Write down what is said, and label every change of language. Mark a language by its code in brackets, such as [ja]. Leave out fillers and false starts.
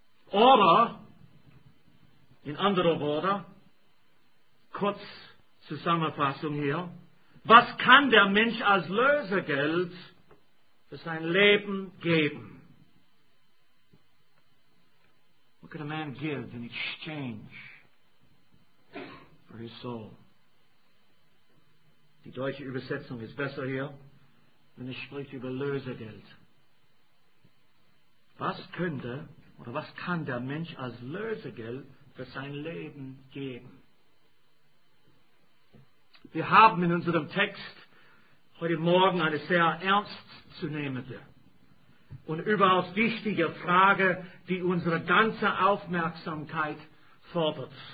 [de] Oder, in anderen Worten, kurz Zusammenfassung hier, was kann der Mensch als Lösegeld für sein Leben geben? [en] What can a man give in exchange for his soul? [de] Die deutsche Übersetzung ist besser hier, wenn es spricht über Lösegeld. Was könnte oder was kann der Mensch als Lösegeld für sein Leben geben? Wir haben in unserem Text heute Morgen eine sehr ernstzunehmende und überaus wichtige Frage, die unsere ganze Aufmerksamkeit fordert.